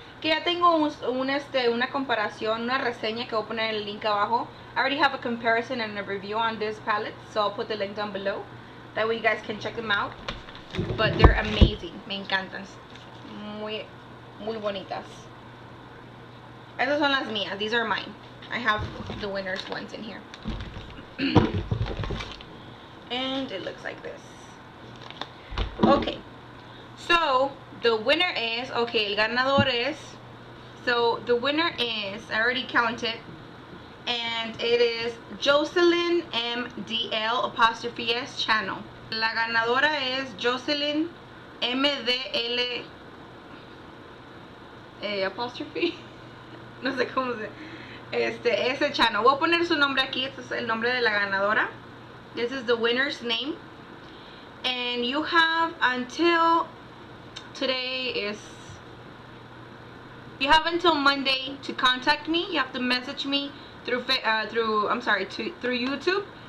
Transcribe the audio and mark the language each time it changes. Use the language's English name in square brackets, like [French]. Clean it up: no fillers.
[Spanish] Que ya tengo una comparación, una reseña que voy a poner en el link abajo. [English] I already have a comparison and a review on this palette, so I'll put the link down below. That way you guys can check them out. But they're amazing. [Spanish] Me encantan. Muy, muy bonitas. Esas son las mías. [English] These are mine. I have the winner's ones in here. And it looks like this. Okay. So, the winner is, okay, [Spanish] el ganador es, [English] so the winner is, I already counted, and it is Jocelyn MDL apostrophe S channel. [Spanish] La ganadora es Jocelyn MDL apostrophe, no sé cómo se, ese channel. Voy a poner su nombre aquí, este es el nombre de la ganadora. [English] This is the winner's name, and you have until... Today is, you have until Monday to contact me. You have to message me through YouTube.